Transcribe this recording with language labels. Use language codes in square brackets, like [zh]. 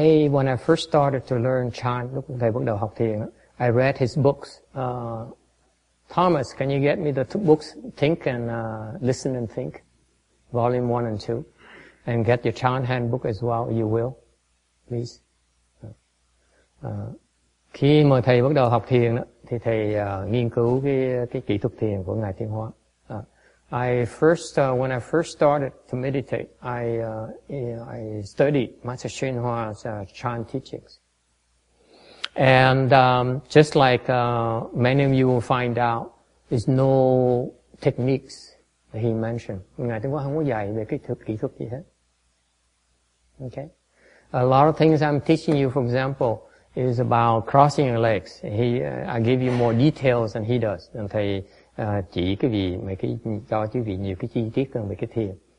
[en] When I first started to learn Chan, [vi] lúc thầy bắt đầu học thiền á. [en] I read his books. Thomas, can you get me the two books, Think and Listen and Think, Volume 1 and 2, and get your Chan handbook as well, you will, please. [vi] Khi mà thầy bắt đầu học thiền đó, thì thầy nghiên cứu cái kỹ thuật thiền của ngài Tiên Hóa. [en] When I first started to meditate, I studied Master Shen Hua's Chan teachings. And just like many of you will find out, there's no techniques that he mentioned. [vi] Ngài Tiên Hóa không có dạy về cái kỹ thuật gì hết. [en] Okay. A lot of things I'm teaching you, for example, is about crossing your legs. I give you more details than he does. [vi] And thầy chỉ cái gì mấy cái cho chứ vì nhiều cái chi tiết hơn về cái thiền.